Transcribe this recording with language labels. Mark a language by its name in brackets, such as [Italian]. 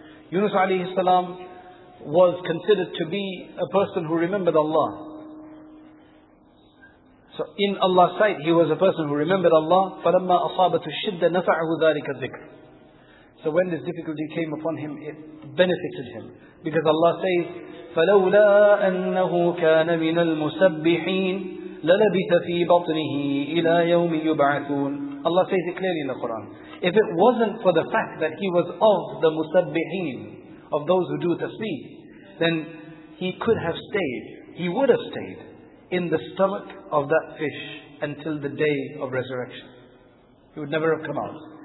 [English] Yunus alayhi salam was considered to be a person who remembered Allah. So in Allah's sight, he was a person who remembered Allah. [Arabic] فَلَمَّا أَصَابَتُ الشِّدَّ نَفَعَهُ ذَلِكَ الذِّكْرِ. [English] So when this difficulty came upon him, it benefited him. Because Allah says, [Arabic] فَلَوْلَا أَنَّهُ كَانَ مِنَ الْمُسَبِّحِينَ لَلَبِثَ فِي بَطْنِهِ إِلَى يَوْمِ يُبْعَثُونَ. [English] Allah says it clearly in the Quran. If it wasn't for the fact that he was of the مُسَبِّحِينَ, of those who do tasbih, then he could have stayed, he would have stayed in the stomach of that fish until the day of resurrection. He would never have come out.